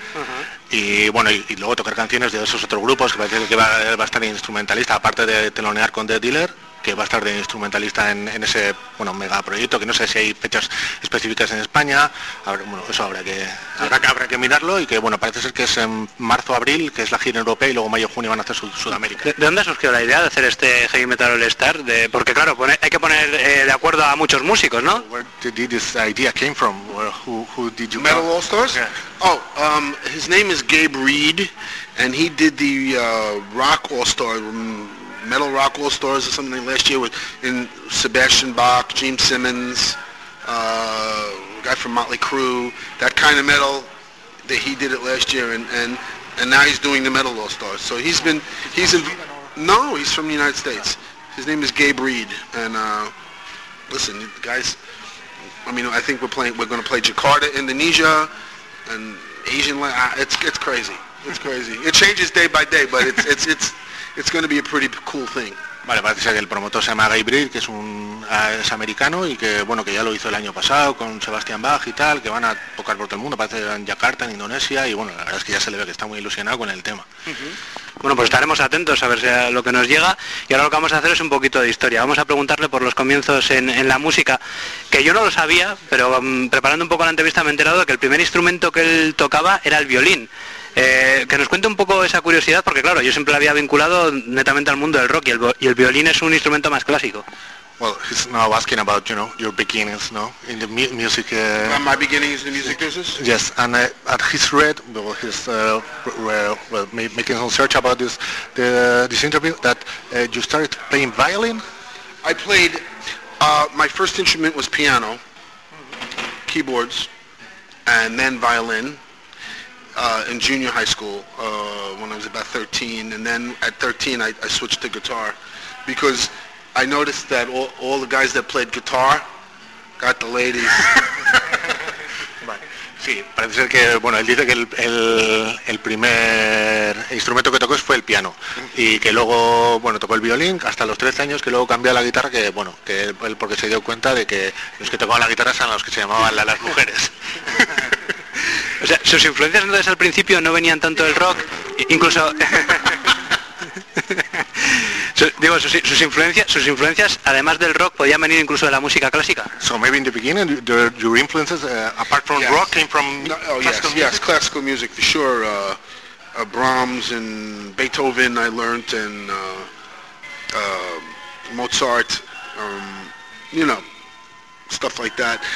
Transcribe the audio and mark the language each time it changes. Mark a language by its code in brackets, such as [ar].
[es] Uh-huh. Y bueno, y luego tocar canciones de esos otros grupos, que parece que va a estar instrumentalista, aparte de telonear con The Dealer, que va a estar de instrumentalista en ese, bueno, megaproyecto, que no sé si hay fechas específicas en España. Habrá que mirarlo, y que bueno, parece ser que es en marzo, abril, que es la gira europea, y luego mayo, junio van a hacer Sudamérica. ¿De dónde surgió la idea de hacer este Heavy Metal All Star? Porque claro, hay que poner de acuerdo a muchos músicos, ¿no? [en] Where did this idea came from? Who did you Metal All Stars? Yeah. Oh, his name is Gabe Reed, and he did the Rock All Star Metal Rock All Stars or something last year with in Sebastian Bach, Gene Simmons, guy from Motley Crue, that kind of metal that he did it last year, and now he's doing the Metal All Stars. So he's been he's from the United States. His name is Gabe Reed, and listen, guys. I mean, I think we're going to play Jakarta, Indonesia, and Asian. It's crazy. It's crazy. It changes day by day, but it's going to be a pretty cool thing. [es] Vale, parece ser que el promotor se llama Gabe Reed, que es americano y que bueno, que ya lo hizo el año pasado con Sebastian Bach y tal, que van a tocar por todo el mundo, parece en Jakarta, en Indonesia, y bueno, la verdad es que ya se le ve que está muy ilusionado con el tema. Bueno, pues estaremos atentos a ver si a lo que nos llega, y ahora lo que vamos a hacer es un poquito de historia. Vamos a preguntarle por los comienzos en la música, que yo no lo sabía, pero preparando un poco la entrevista me he enterado de que el primer instrumento que él tocaba era el violín. Que nos cuente un poco esa curiosidad, porque claro, yo siempre la había vinculado netamente al mundo del rock, y el violín es un instrumento más clásico. [en] Well, he's now asking about, you know, your beginnings, no? In the music... My beginnings in the music business? Yes, and at his read, well, his, well, making some search about this, this interview, that you started playing violin? I played, my first instrument was piano, keyboards, and then violin. In junior high school, when I was about 13, and then at 13 I switched to guitar, because I noticed that all the guys that played guitar got the ladies. [es] Sí, parece ser que, bueno, él dice que el primer instrumento que tocó fue el piano, y que luego, bueno, tocó el violín hasta los 13 años, que luego cambió a la guitarra, que, bueno, que él porque se dio cuenta de que los que tocaban la guitarra eran los que se llamaban las mujeres. O sea, sus influencias entonces al principio no venían tanto del rock, incluso... digo, sus influencias, además del rock, podían venir incluso de la música clásica. [en] So maybe in the beginning, your influences, apart from rock, came from classical music, for sure. Brahms and Beethoven I learned, and Mozart, you know, stuff like that.